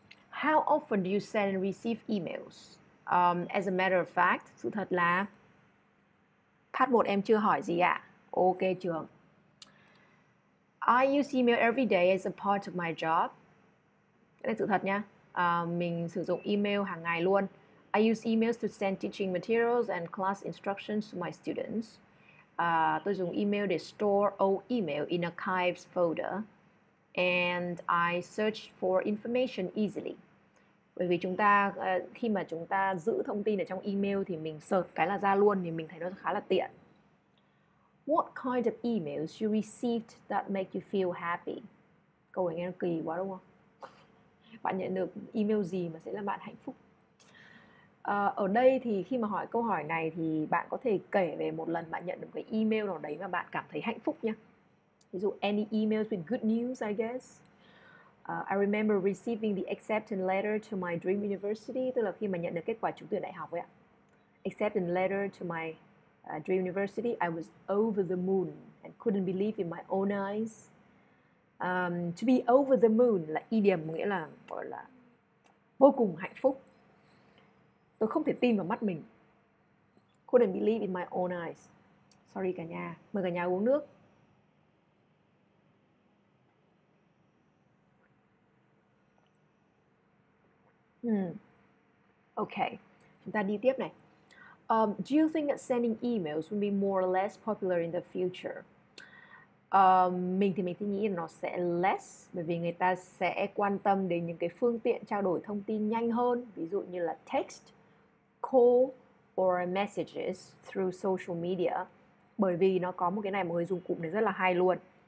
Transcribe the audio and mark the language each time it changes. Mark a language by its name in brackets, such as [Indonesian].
[English] How often do you send and receive emails? As a matter of fact, [Vietnamese] sự thật là part 1 em chưa hỏi gì ạ. Ok, trường. [English] I use email every day as a part of my job. [Vietnamese] Đây là sự thật nha. Mình sử dụng email hàng ngày luôn. [English] I use emails to send teaching materials and class instructions to my students. [Vietnamese] Tôi dùng email để [English] store all email in archives folder. And I search for information easily. [Vietnamese] Bởi vì chúng ta, khi mà chúng ta giữ thông tin ở trong email thì mình search cái là ra luôn thì mình thấy nó khá là tiện. [English] What kind of emails you received that make you feel happy? [Vietnamese] Câu hỏi nghe nó kỳ quá đúng không? Bạn nhận được email gì mà sẽ làm bạn hạnh phúc? Ở đây thì khi mà hỏi câu hỏi này thì bạn có thể kể về một lần bạn nhận được cái email nào đấy mà bạn cảm thấy hạnh phúc nha. Ví dụ, [English] any emails with good news, I guess. I remember receiving the acceptance letter to my dream university. [Vietnamese] Tức là khi mà nhận được kết quả trúng tuyển đại học ấy ạ. [English] Acceptance letter to my dream university, I was over the moon and couldn't believe in my own eyes. To be over the moon [Vietnamese] là idiom nghĩa là gọi là vô cùng hạnh phúc. Tôi không thể tin vào mắt mình. [English] Couldn't believe in my own eyes. [Vietnamese] Sorry cả nhà, mời cả nhà uống nước. Okay, chúng ta đi tiếp này. [English] Do you think that sending emails will be more or less popular in the future? [Vietnamese] Mình thì nghĩ là nó sẽ less, bởi vì người ta sẽ quan tâm đến những cái phương tiện trao đổi thông tin nhanh hơn, ví dụ như là [English] text, call or messages through social media, [Vietnamese] bởi vì nó có một cái này mọi người dùng cụm này rất là hay luôn.